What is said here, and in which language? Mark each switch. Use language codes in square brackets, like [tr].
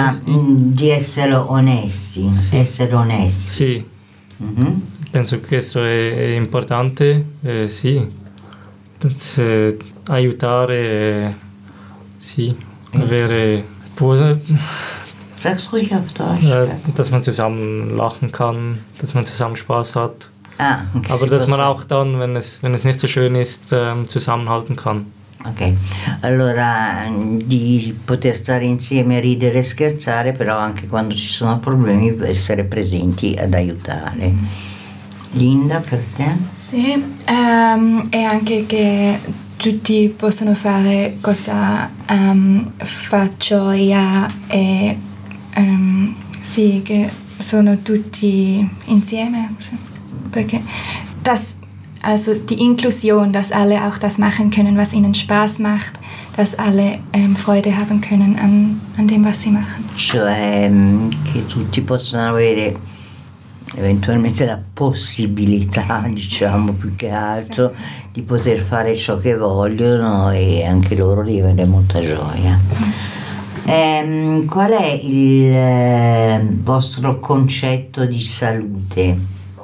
[it] Di essere onesti, sì. Essere onesti. Sì, mm-hmm. Penso che questo è importante, sì, se aiutare, sì, avere... [de] Sag's ruhig auf Deutsch. Dass man zusammen lachen kann, dass man zusammen Spaß hat. Ah, aber dass man auch dann, wenn es nicht so schön ist, zusammenhalten kann. [it] Ok, allora di poter stare insieme, ridere e scherzare, però anche quando ci sono problemi essere presenti ad aiutare. Linda, per te? Sì, e anche che tutti possono fare cosa faccio io e sì, che sono tutti insieme, sì. [de] Perché das, also die Inklusion, dass alle auch das machen können, was ihnen Spaß macht, dass alle Freude haben können an dem, was sie machen. [it] Cioè, che tutti possano avere eventualmente la possibilità, diciamo, più che altro, sì, di poter fare ciò che vogliono e anche loro di avere molta gioia. Qual è il vostro concetto di salute?